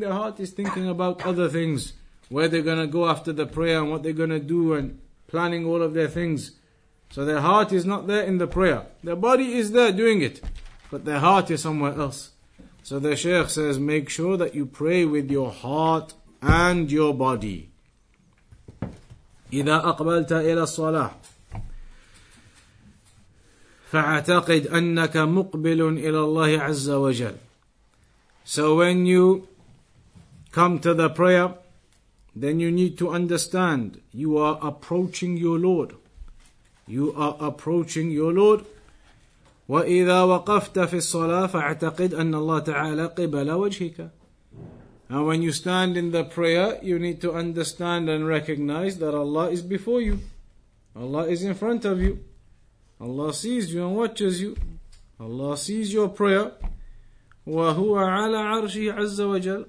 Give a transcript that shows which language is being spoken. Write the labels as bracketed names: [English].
[English] Their heart is thinking about other things, where they're going to go after the prayer, and what they're going to do, and planning all of their things. So their heart is not there in the prayer. Their body is there doing it, but their heart is somewhere else. So the Shaykh says, make sure that you pray with your heart and your body. [Arabic] إذا أقبلت إلى الصلاة فاعتقد أنك مقبل إلى الله عز وجل. [English] So when you come to the prayer, then you need to understand you are approaching your Lord. You are approaching your Lord. [Arabic] وإذا وقفت في الصلاة فاعتقد أن الله تعالى قبل وجهك. [English] And when you stand in the prayer, you need to understand and recognize that Allah is before you. Allah is in front of you. Allah sees you and watches you. Allah sees your prayer. [Arabic] وَهُوَ عَلَىٰ عَرْشِهِ عَزَّ وَجَلَ.